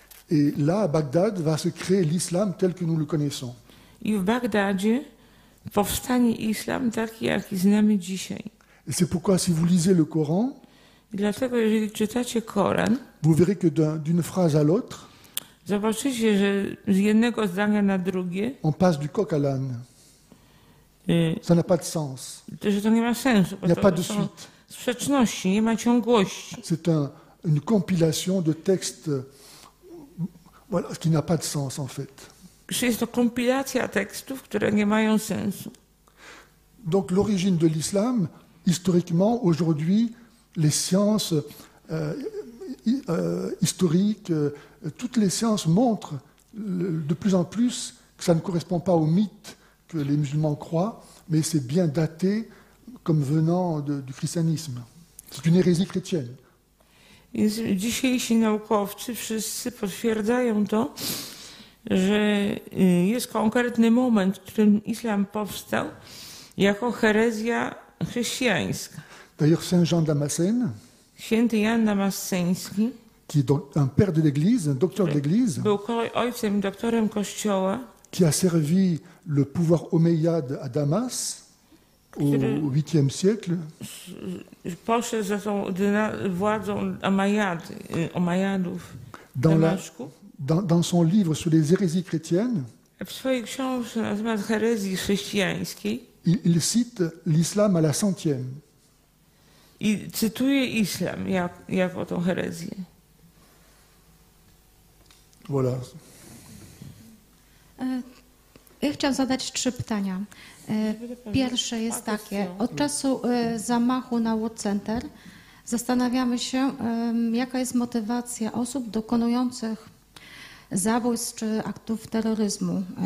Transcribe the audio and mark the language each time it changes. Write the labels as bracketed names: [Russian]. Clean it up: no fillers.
[French] Et là, à Bagdad, va se créer l'islam tel que nous le connaissons. [Polish] I w Bagdadzie powstanie islam taki, jaki znamy dzisiaj. [French] Et c'est pourquoi, si vous lisez le Coran, [Polish] dlatego, jeżeli czytacie Koran, [French] vous verrez que d'une phrase à l'autre, [Polish] zobaczycie, że z jednego zdania na drugie, [French] on passe du coq à l'âne. Ça n'a pas de sens. [Polish] To, że to nie ma sensu. [French] Il n'y a pas de suite. [Polish] Sprzeczności, nie ma ciągłości. [French] C'est une compilation de textes. Voilà, ce qui n'a pas de sens en fait. C'est une compilation de textes qui n'ont pas de sens. Donc l'origine de l'islam, historiquement, aujourd'hui, les sciences historiques, toutes les sciences montrent de plus en plus que ça ne correspond pas au mythe que les musulmans croient, mais c'est bien daté comme venant du christianisme. C'est une hérésie chrétienne. [Polish] Więc dzisiejsi naukowcy wszyscy potwierdzają to, że jest konkretny moment, w którym islam powstał jako herezja chrześcijańska. [French] D'ailleurs Saint Jean Damascène, [Polish] święty Jan Damasceński, [French] qui est donc un père de l'Église, un docteur de l'Église, [Polish] był ojcem doktorem Kościoła, [French] qui a servi le pouvoir omeyyade à Damas, au 8e siècle. [Polish] Poszedł za tą władzą Omajadów. [French] Dans la, dans son livre sur les hérésies chrétiennes, [Polish] w swojej książce na temat herezji chrześcijańskiej, [French] il cite l'islam à la centième. [Polish] Il cytuje islam jako tą herezję. [French] Voilà. [Polish] Ja chciałam zadać trzy pytania. Pierwsze jest takie. Od czasu zamachu na World Center zastanawiamy się, jaka jest motywacja osób dokonujących zabójstw czy aktów terroryzmu.